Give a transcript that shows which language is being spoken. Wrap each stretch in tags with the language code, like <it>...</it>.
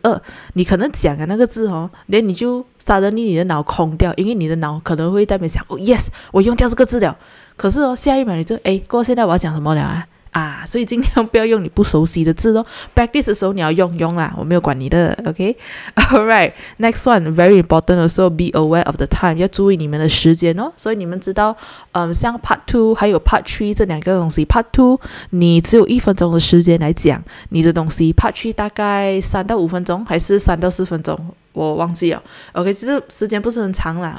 <zh>二，你可能讲的那个字吼，连你就 suddenly 你的脑空掉，因为你的脑可能会在那边想，哦 ，yes， 我用掉这个字了。可是哦，下一秒你就哎，过现在我要讲什么了啊？啊，所以尽量不要用你不熟悉的字咯。 Practice 的时候你要用啦，我没有管你的。</zh> <en>OK， Alright， Next one very important also be aware of the time，</en> <zh>要注意你们的时间哦。所以你们知道像 Part 2还有 Part 3这两个东西， Part 2你只有一分钟的时间来讲你的东西， Part 3大概三到五分钟还是三到四分钟我忘记了。 OK， 其实时间不是很长啦。</zh>